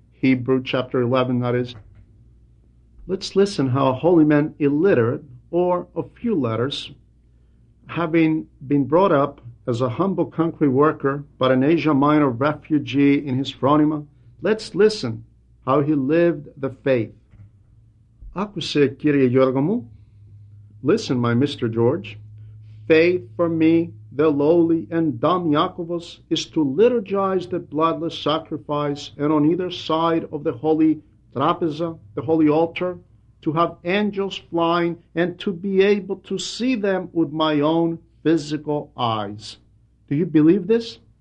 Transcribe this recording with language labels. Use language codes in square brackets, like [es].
[en] Hebrews chapter 11, that is. Let's listen how a holy man, illiterate, or a few letters, having been brought up as a humble concrete worker, but an Asia Minor refugee in his Hieronyma, let's listen how he lived the faith. [el] Άκουσε, κύριε Γιώργο μου. [en] Listen, my Mr. George. Faith for me, the lowly and dumb Iacobus, is to liturgize the bloodless sacrifice and on either side of the holy trapeza, the holy altar, to have angels flying and to be able to see them with my own physical eyes. Do you believe this?